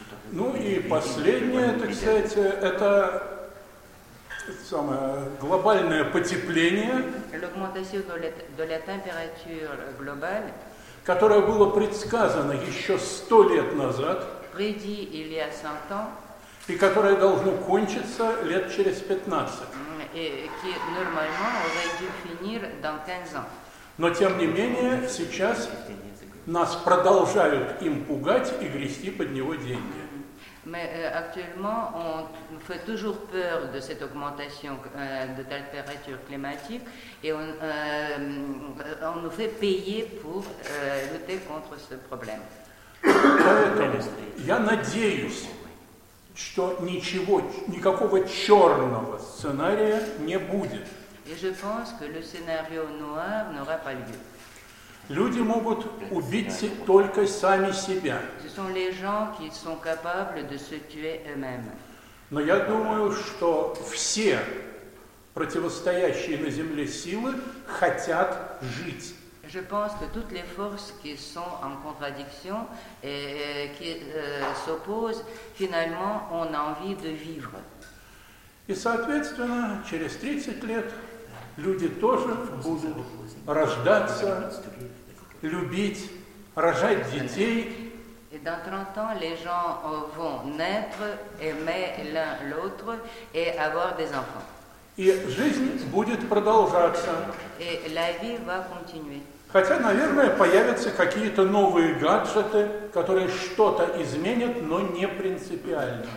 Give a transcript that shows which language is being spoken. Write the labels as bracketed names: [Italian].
[Russian] Ну и последнее, так сказать, это самое глобальное потепление. [French] L'augmentation de la température globale. [Russian] Которое было предсказано еще 100 лет назад. [French] Prédit il y a 100 ans. [Russian] И которое должно кончиться лет через 15. [French] Et qui normalement aurait dû finir dans 15 ans. [Russian] Но, тем не менее, сейчас нас продолжают им пугать и грести под него деньги. [French] Mais actuellement, on fait toujours peur de cette augmentation de température climatique et on nous fait payer pour lutter contre ce problème. [Russian] Поэтому я надеюсь, что ничего, никакого черного сценария не будет. [French] Et je pense que le scénario noir n'aura pas lieu. [Russian] Люди могут убить только сами себя. [French] Ce sont les gens qui sont capables de se tuer eux-mêmes. [Russian] Но я думаю, что все противостоящие на Земле силы хотят жить. [French] Je pense que toutes les forces qui sont en contradiction et qui s'opposent, finalement, ont envie de vivre. [Russian] И соответственно, через 30 лет люди тоже будут рождаться, любить, рожать детей. [French] Et dans 30 ans, les gens vont naître, aimer l'un l'autre et avoir des enfants. [Russian] И жизнь будет продолжаться. [French] Et la vie va continuer. [Russian] Хотя, наверное, появятся какие-то новые гаджеты, которые что-то изменят, но не принципиально.